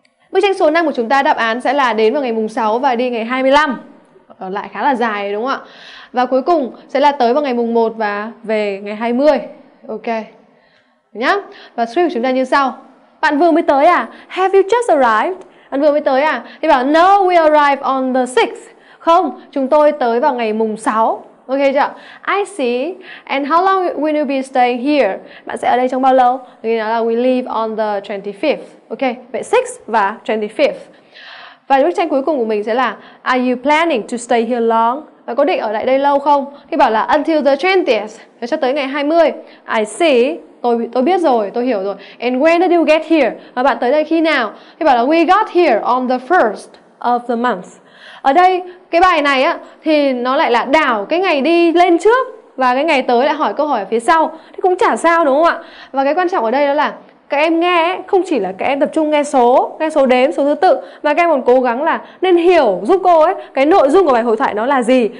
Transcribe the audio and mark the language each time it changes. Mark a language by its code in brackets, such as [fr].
[vi] Bức tranh số 5 của chúng ta đáp án sẽ là đến vào ngày mùng 6 và đi ngày 25. Còn lại khá là dài, đúng không ạ? Và cuối cùng sẽ là tới vào ngày mùng 1 và về ngày 20. Ok. Nhá. Và script của chúng ta như sau. Bạn vừa mới tới à? [en] Have you just arrived? [vi] Bạn vừa mới tới à? Thì bảo [en] no, we arrive on the 6th. [vi] Không, chúng tôi tới vào ngày mùng 6. [en] Ok chưa? I see. And how long will you be staying here? [vi] Bạn sẽ ở đây trong bao lâu? Thì nó là [en] we leave on the 25th. [vi] Ok, vậy 6th và 25th. Và bức tranh cuối cùng của mình sẽ là [en] are you planning to stay here long? [vi] Bạn có định ở lại đây lâu không? Thì bảo là [en] until the 20th, [vi] để cho tới ngày 20. [en] I see. [vi] Tôi biết rồi, tôi hiểu rồi. [en] And when did you get here? [vi] Và bạn tới đây khi nào? Thì bảo là [en] we got here on the 1st of the month. [vi] Ở đây, cái bài này á, thì nó lại là đảo cái ngày đi lên trước và cái ngày tới lại hỏi câu hỏi ở phía sau. Thì cũng chả sao, đúng không ạ? Và cái quan trọng ở đây đó là các em nghe không chỉ là các em tập trung nghe số đếm, số thứ tự, mà các em còn cố gắng là nên hiểu giúp cô ấy cái nội dung của bài hội thoại nó là gì.